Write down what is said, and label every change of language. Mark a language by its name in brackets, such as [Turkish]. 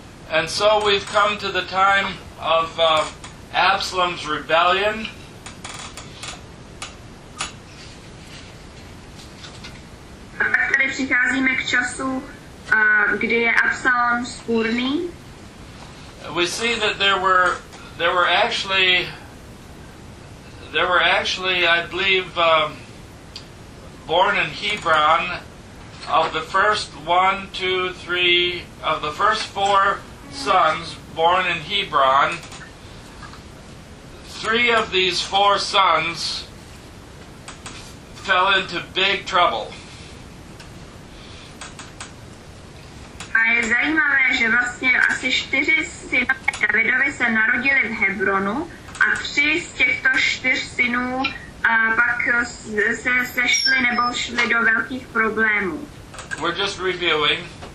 [English] And so we've come to the time of Absalom's rebellion. [Czech] Tak tady přicházíme k času, kdy je Absalom vzpůrný. [English] We see that there were actually I believe born in Hebron of the first one, two, three of the first four sons born in Hebron. Three of these four sons fell into big trouble. [Czech] A je zajímavé, že vlastně asi čtyři synové Davidovi se narodili v Hebronu a tři z těchto čtyř synů pak se sešli nebo šli do velkých problémů. [English] We're just reviewing.